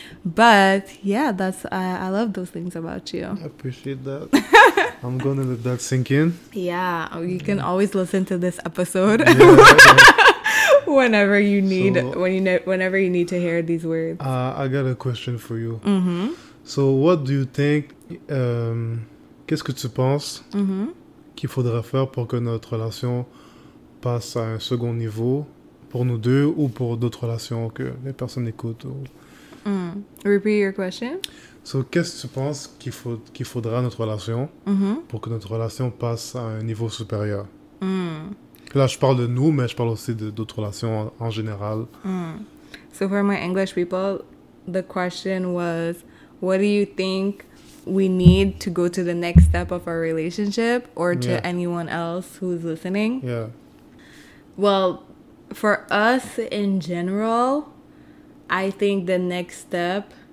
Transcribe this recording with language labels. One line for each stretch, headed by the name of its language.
English: But yeah, that's I love those things about you. I appreciate that. I'm gonna let that sink in. Yeah, you can always listen to this episode whenever you need, whenever you need to hear these words. I got a question for you. Mm-hmm. So, what do you think?
French: Qu'est-ce que tu penses qu'il faudrait faire pour que notre relation passe à un second niveau pour nous deux ou pour d'autres relations que les personnes écoutent ou...
English: Repeat your question.
French: So, qu'est-ce que tu penses qu'il faudra à notre relation pour que notre relation passe à un niveau supérieur? Là, je parle de nous, mais je parle aussi d'autres relations en général.
English: So, for my English people, the question was, what do you think we need to go to the next step of our relationship, or to anyone else who's listening? Yeah. Well, for us in general, I think the next step